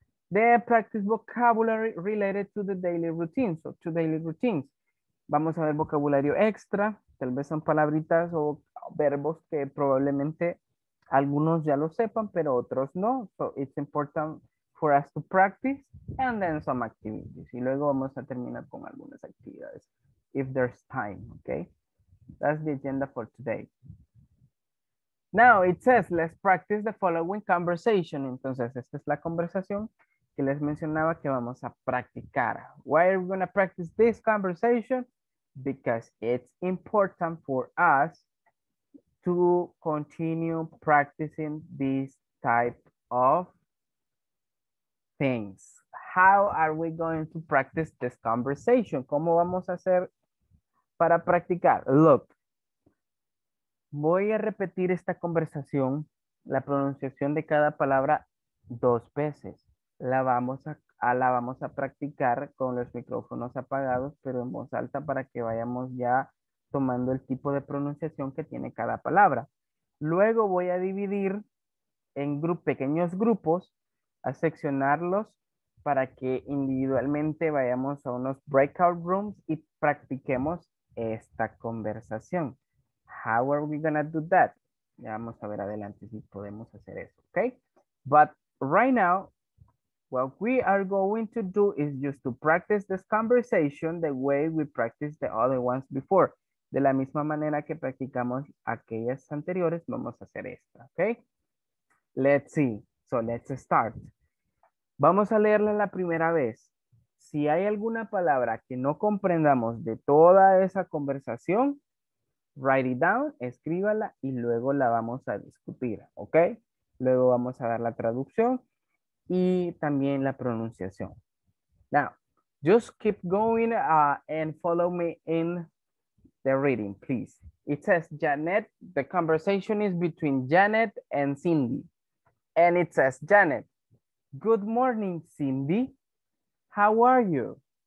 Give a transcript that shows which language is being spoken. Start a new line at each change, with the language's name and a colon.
English: The practice vocabulary related to the daily routines, so to daily routines.
Spanish: Vamos a ver vocabulario extra. Tal vez son palabritas o verbos que probablemente algunos ya lo sepan, pero otros no.
English: So it's important for us to practice and then some activities.
Spanish: Y luego vamos a terminar con algunas actividades,
English: if there's time,
Spanish: okay?
English: That's the agenda for today. Now it says, let's practice the following conversation.
Spanish: Entonces, esta es la conversación que les mencionaba que vamos a practicar.
English: Why are we going to practice this conversation? Because it's important for us to continue practicing these type of things. How are we going to practice this conversation?
Spanish: ¿Cómo vamos a hacer para practicar? Look, voy a repetir esta conversación, la pronunciación de cada palabra dos veces. La vamos la vamos a practicar con los micrófonos apagados, pero en voz alta para que vayamos ya tomando el tipo de pronunciación que tiene cada palabra. Luego voy a dividir en pequeños grupos, a seccionarlos para que individualmente vayamos a unos breakout rooms y practiquemos esta conversación.
English: How are we gonna do that?
Spanish: Ya vamos a ver adelante si podemos hacer eso, okay?
English: But right now, what we are going to do is just to practice this conversation the way we practiced the other ones before.
Spanish: De la misma manera que practicamos aquellas anteriores, vamos a hacer esta, okay?
English: Let's see. So let's start.
Spanish: Vamos a leerla la primera vez. Si hay alguna palabra que no comprendamos de toda esa conversación,
English: write it down,
Spanish: escríbala y luego la vamos a discutir, ¿ok? Luego vamos a dar la traducción y también la pronunciación.
English: Now, just keep going and follow me in the reading, please. It says, Janet, the conversation is between Janet and Cindy. And it says, Janet, good morning, Cindy. How are you?